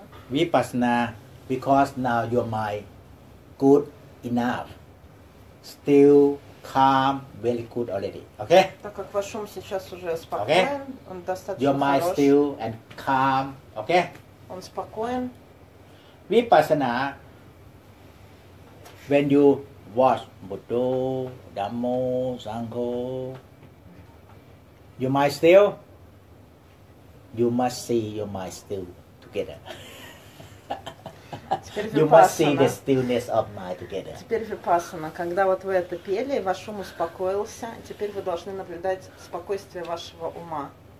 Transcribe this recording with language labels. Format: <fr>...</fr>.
<en>Vipassana, because now your mind good enough, still calm, very good already. Okay?</en> <ru>Так как ваш ум сейчас уже спокоен, он достаточно хорош.</ru> <en>Your mind still and calm. Okay?</en> <ru>Он спокоен.</ru> <en>Vipassana, when you watch Buddha, Dhammo, Sangho, your mind still, you must see your mind still together. You must see the stillness of mind together.</en> <ru>Теперь випассана. Когда вот вы это пели, ваш ум успокоился. Теперь вы должны наблюдать спокойствие вашего ума.</ru>